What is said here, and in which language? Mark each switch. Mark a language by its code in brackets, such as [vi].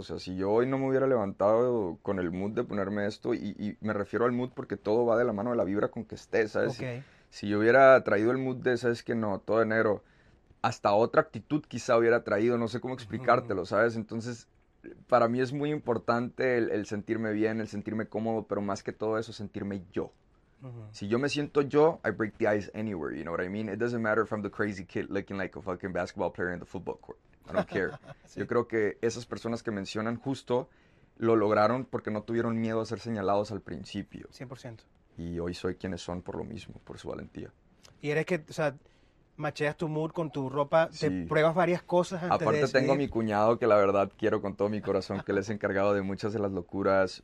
[es] O sea, si yo hoy no me hubiera levantado con el mood de ponerme esto, y me refiero al mood porque todo va de la mano de la vibra con que esté, ¿sabes? Si [en] Okay. [es] yo hubiera traído el mood de, ¿sabes qué? No, todo enero, hasta otra actitud quizá hubiera traído, no sé cómo explicártelo, ¿sabes? Entonces, para mí es muy importante el sentirme bien, el sentirme cómodo, pero más que todo eso, sentirme yo. Si yo me siento yo, [en] I break the ice anywhere, you know what I mean? It doesn't matter if I'm the crazy kid looking like a fucking basketball player in the football court. I don't care. [es] Yo Sí. creo que esas personas que mencionan justo lo lograron porque no tuvieron miedo a ser señalados al principio. 100%. Y hoy soy quienes son por lo mismo, por su valentía. Y eres que, o sea, macheas tu mood con tu ropa, sí. Te pruebas varias cosas antes. Aparte, de decidir. Tengo a mi cuñado que la verdad quiero con todo mi corazón, que les he encargado de muchas de las locuras.